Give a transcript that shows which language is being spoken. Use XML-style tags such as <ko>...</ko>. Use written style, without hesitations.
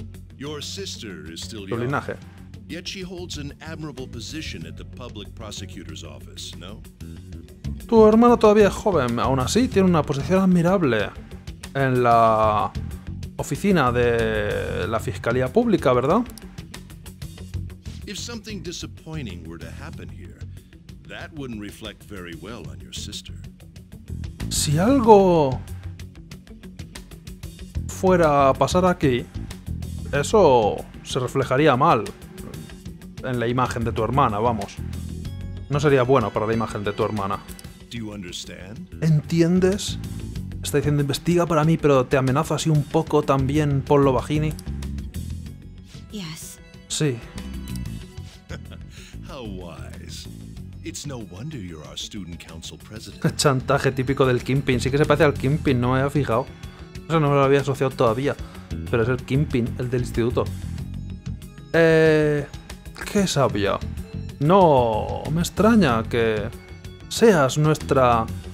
<es>Tu linaje.</es> <en>Yet she holds an admirable position at the public prosecutor's office, no?</en> <es>Tu hermano todavía es joven, aún así tiene una posición admirable en la oficina de la fiscalía pública, ¿verdad?</es> <en>If something disappointing were to happen here, that wouldn't reflect very well on your sister.</en> <es>Si algo fuera a pasar aquí, eso se reflejaría mal en la imagen de tu hermana, vamos. No sería bueno para la imagen de tu hermana.</es> <en>Do you understand?</en> <es>¿Entiendes? Está diciendo, investiga para mí, pero te amenazo así un poco también, Paul Lovagini.</es> <en>Yes.</en> <es>Sí.</es> <en>wise. It's no wonder you're our student council president.</en> <es>El chantaje típico del Kingpin. Sí que se parece al Kingpin, no me había fijado. Eso no me lo había asociado todavía. Pero es el Kingpin, el del instituto. ¿Qué sabía? No, me extraña que seas nuestra...</es>